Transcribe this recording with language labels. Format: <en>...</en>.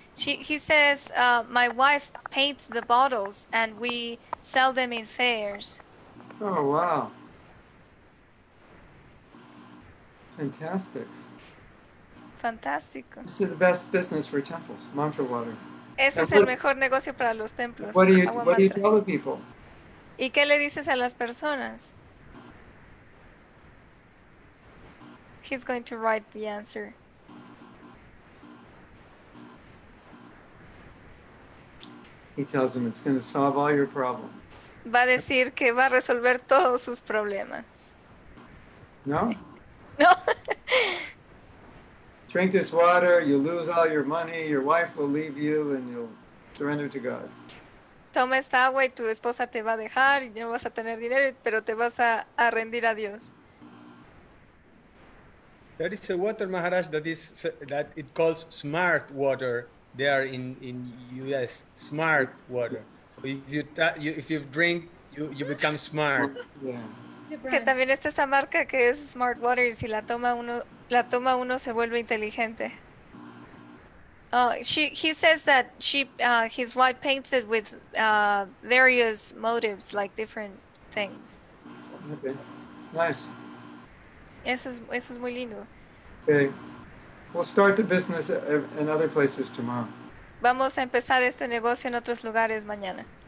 <en>He says, my wife paints the bottles and we sell them in fairs. Oh, wow. Fantastic.</en> <es>Fantástico.</es> <en>This is the best business for temples, mantra water.</en> <es>Ese es el mejor negocio para los templos.</es> <en>What do you tell the people?</en> <es>¿Y qué le dices a las personas?</es> <en>He's going to write the answer. He tells them it's going to solve all your problems.</en> <es>Va a decir que va a resolver todos sus problemas.</es> <en>No? No. drink this water, you'll lose all your money, your wife will leave you, and you'll surrender to God.</en> <es>Toma esta agua y tu esposa te va a dejar, y no vas a tener dinero, pero te vas a rendir a Dios.</es> <en>There is a water, Maharaj, that it calls smart water. There in U.S., smart water. So if you drink, you become smart.</en> <es>Que también está esta marca que es smart water, y si la toma uno se vuelve inteligente.</es> <en>He says that his wife paints it with various motives, like different things. Okay, nice.</en> <es>Eso es muy lindo.</es> <en>Okay, we'll start the business in other places tomorrow.</en> <es>Vamos a empezar este negocio en otros lugares mañana.</es>